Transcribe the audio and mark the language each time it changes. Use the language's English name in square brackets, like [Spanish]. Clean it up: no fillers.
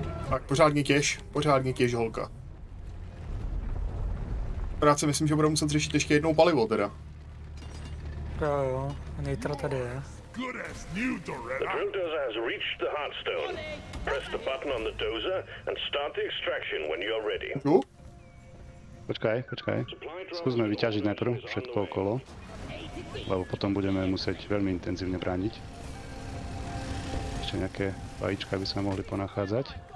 [Czech] Tak pořádně těž holka. Rád si myslím, že budeme muset řešit ještě jednou palivo, teda. Jo, jo, nitra tady je. [English] The drill dozer has reached the heartstone. Press the button on the dozer and start the extraction when you're ready. [Czech] Jo? Počkej, počkej. [Slovak] Zkusme vyťažit najprv všetko okolo. [Czech] Lebo potom budeme muset velmi intenzivně bránit. Ještě nějaké vajíčka by se mohli ponacházet.